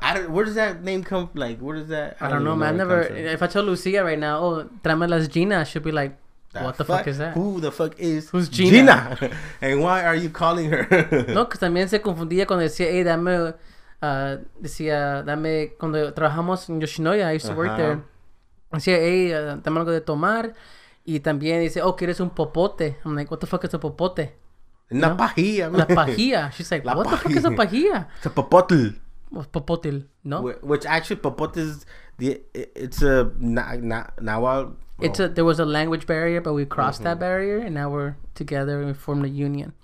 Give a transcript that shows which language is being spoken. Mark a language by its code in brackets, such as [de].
[en] Where does that name come? Like, where does that? I don't know, man. If I tell Lucia right now, oh, [es] tráeme las Ginas, [en] she'll be like, what the fuck is that? Who the fuck is who's Gina? Gina? And why are you calling her? [es] No, because también se confundía cuando decía, hey, dame. Decía, dame, cuando trabajamos en Yoshinoya, [en] I used to work there. [es] Decía, hey, dame algo de tomar. Y también dice, oh, ¿quieres un popote? [en] I'm like, what the fuck is a popote? [es] Una pajilla, [en] man. [es] La pajilla. [en] She's like, la what pajilla. The fuck is a pajilla? It's a popotl. Popotl, no? Which actually, popote is, it's a, Nahual. It's a, there was a language barrier, but we crossed that barrier, and now we're together and we formed a union.